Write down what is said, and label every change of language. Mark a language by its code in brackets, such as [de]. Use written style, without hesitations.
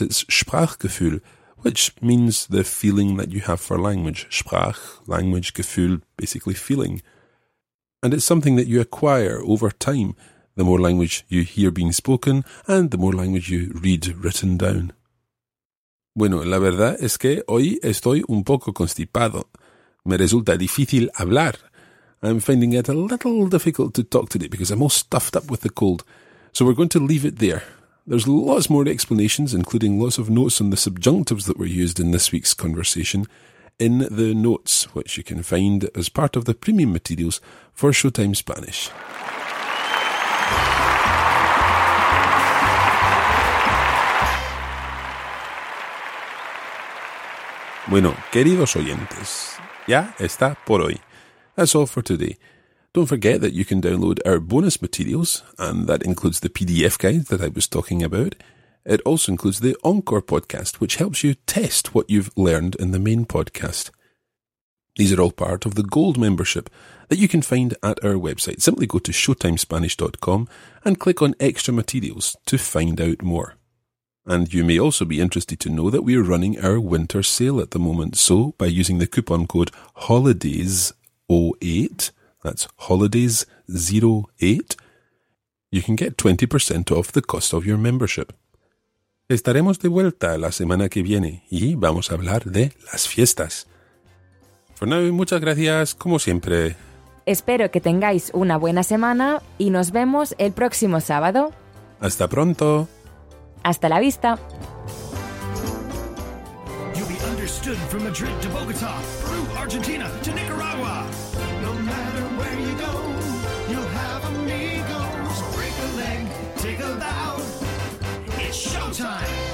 [en] It's Sprachgefühl, which means the feeling that you have for language. Sprach, language, Gefühl, basically feeling. And it's something that you acquire over time, the more language you hear being spoken and the more language you read written down. [es] Bueno, la verdad es que hoy estoy un poco constipado. Me resulta difícil hablar. [en] I'm finding it a little difficult to talk today because I'm all stuffed up with the cold. So we're going to leave it there. There's lots more explanations, including lots of notes on the subjunctives that were used in this week's conversation, in the notes, which you can find as part of the premium materials for Showtime Spanish. [es] Bueno, queridos oyentes, ya está por hoy. [en] That's all for today. Don't forget that you can download our bonus materials, and that includes the PDF guide that I was talking about. It also includes the Encore podcast, which helps you test what you've learned in the main podcast. These are all part of the Gold membership that you can find at our website. Simply go to showtimespanish.com and click on Extra Materials to find out more. And you may also be interested to know that we are running our winter sale at the moment. So by using the coupon code HOLIDAYS08, that's HOLIDAYS08, you can get 20% off the cost of your membership. [es] Estaremos de vuelta la semana que viene y vamos a hablar de las fiestas. [en] For now, [es] muchas gracias, como siempre. Espero que tengáis una buena semana y nos vemos el próximo sábado. Hasta pronto. Hasta la vista. [en] You'll be understood from Madrid to Bogota, Peru, Argentina to Nicaragua. No matter where you go, you'll have amigos. Break a leg, take a bow. It's showtime.